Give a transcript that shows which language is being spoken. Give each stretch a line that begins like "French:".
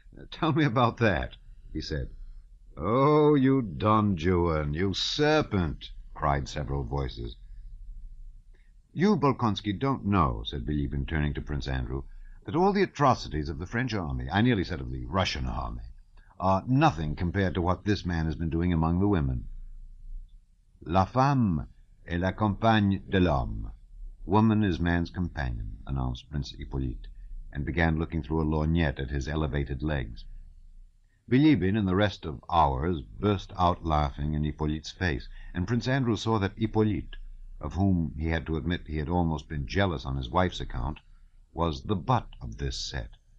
English: "Tell me about that," he said. "Oh, you Don Juan, you serpent," cried several voices. "You, Bolkonski, don't know," said Bilibin, turning to Prince Andrew, "that all the atrocities of the French army, I nearly said of the Russian army, are nothing compared to what this man has been doing among the women."
French: "La femme est la compagne de l'homme."
English: "Woman is man's companion," announced Prince Hippolyte, and began looking through a lorgnette at his elevated legs. Bilibin and the rest of ours burst out laughing in Hippolyte's face, and Prince Andrew saw that Hippolyte, of whom he had to admit he had almost been jealous on his wife's account, was the butt of this set.